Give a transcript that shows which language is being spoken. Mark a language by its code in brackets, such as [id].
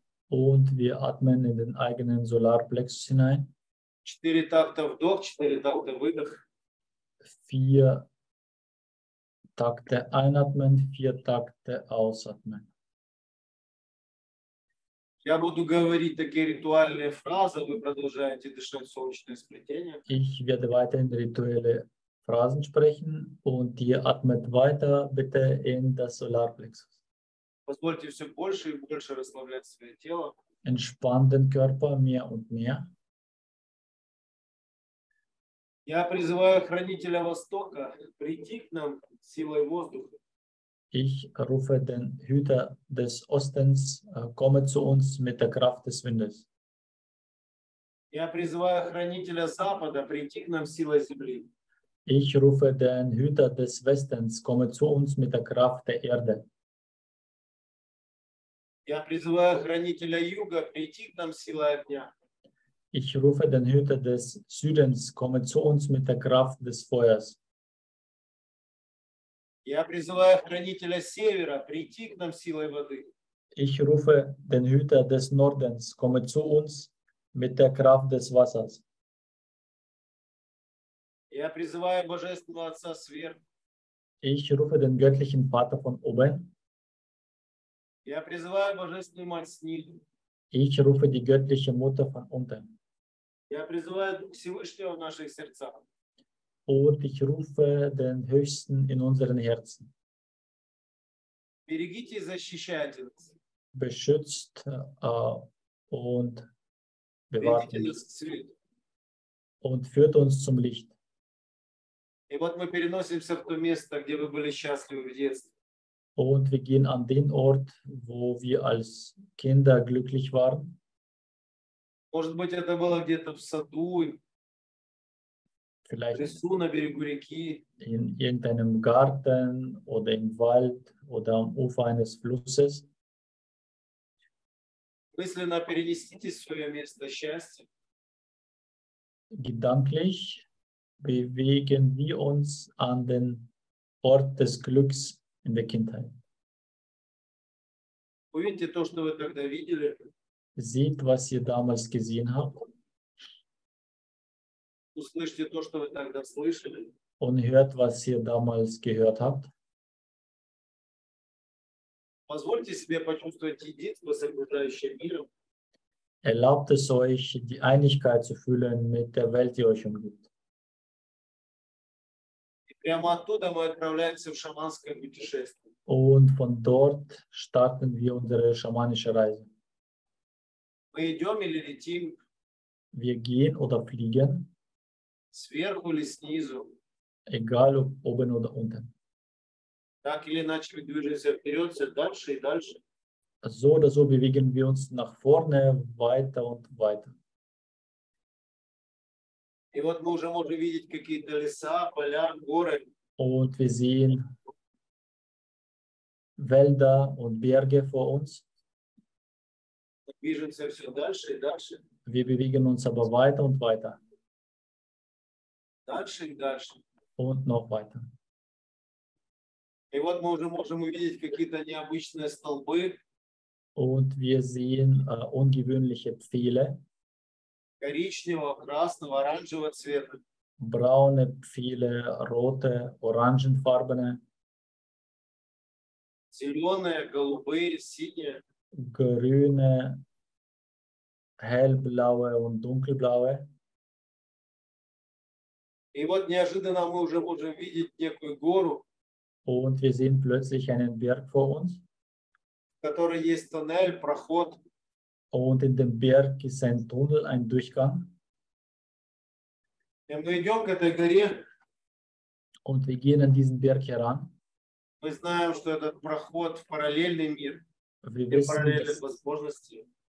[de] Und wir atmen in den eigenen Solarplexus hinein. [ru] Четыре такта вдох, четыре такта выдох. [de] Vier Takte einatmen, vier Takte ausatmen. [ru] Я буду говорить такие ритуальные фразы, вы продолжаете дышать солнечное сплетение. [de] Ich werde weiterhin rituelle Phrasen sprechen und ihr atmet weiter bitte in das Solarplexus. [ru] Позвольте все больше и больше расслаблять свое тело. [de] Entspann den Körper mehr und mehr. [ru] Я призываю Хранителя Востока прийти к нам силой воздуха. [de] Ich rufe den Hüter des Ostens, komme zu uns mit der Kraft des Windes. [ru] Я призываю Хранителя Запада прийти к нам силой Земли. [de] Ich rufe den Hüter des Westens, komme zu uns mit der Kraft der Erde. [ru] Я призываю Хранителя Юга прийти к нам силой огня. [de] Ich rufe den Hüter des Südens, komme zu uns mit der Kraft des Feuers. [ru] Я призываю Хранителя Севера прийти к нам силой воды. [de] Ich rufe den Hüter des Nordens, komme zu uns mit der Kraft des Wassers. [ru] Я призываю Божественного Отца сверху. [de] Ich rufe den göttlichen Vater von oben. [ru] Я призываю Божественную Мать снизу. [de] Ich rufe die göttliche Mutter von unten. [ru] Я призываю Дух Всевышнего в наших сердцах. [de] Und ich rufe den Höchsten in unseren Herzen. [ru] Берегите и защищайте нас. [de] Beschützt und bewahrt uns. Und führt uns zum Licht. [ru] И вот мы переносимся в то место, где вы были счастливы в детстве. [de] Und wir gehen an den Ort, wo wir als Kinder glücklich waren. [ru] Может быть, это было где-то в саду. [de] Vielleicht [ru] на берегу реки. [de] In irgendeinem Garten oder im Wald oder am Ufer eines Flusses. [ru] Мысленно перенеситесь в свое место счастья. [de] Gedanklich bewegen wir uns an den Ort des Glücks in der Kindheit. [ru] Увидите то, что вы тогда видели. [de] Seht, was ihr damals gesehen habt. [ru] Услышьте то, что вы тогда слышали. [de] Und hört, was ihr damals gehört habt. [ru] Позвольте себе почувствовать единство с окружающим миром. [de] Erlaubt es euch, die Einigkeit zu fühlen mit der Welt, die euch umgibt. [ru] И прямо оттуда мы отправляемся в шаманское путешествие. [de] Und von dort starten wir unsere schamanische Reise. [ru] Мы идем или летим. [de] Wir gehen oder fliegen. [ru] Сверху или снизу. [de] Egal, ob oben oder unten. [ru] Так или иначе мы движемся вперед, все дальше и дальше. [de] So oder so bewegen wir uns nach vorne, weiter und weiter. [ru] И вот мы уже можем видеть какие-то леса, поля, горы. [de] Und wir sehen Wälder und Berge vor uns. [ru] Мы движемся все дальше и дальше. [de] Wir bewegen uns aber weiter und weiter. [ru] Дальше и дальше. [de] Und noch weiter. [ru] И вот мы уже можем увидеть какие-то необычные столбы. [de] Und wir sehen ungewöhnliche Pfähle. [ru] Коричневого, красного, оранжевого цвета. [de] Braune Pfähle, rote, orangenfarbene. [ru] Зеленые, голубые, синие. [de] Grüne, hellblaue und dunkelblaue. [ru] И вот неожиданно мы уже можем видеть некую гору. [de] Und wir sehen plötzlich einen Berg vor uns. [ru] В которой есть тоннель, проход. [de] Und in dem Berg ist ein Tunnel, ein Durchgang. [ru] И мы идем к этой горе. [de] Und wir gehen an diesen Berg heran. [ru] Мы знаем, что этот проход в параллельный мир. [de] Wir wissen, [ru] параллельные возможности.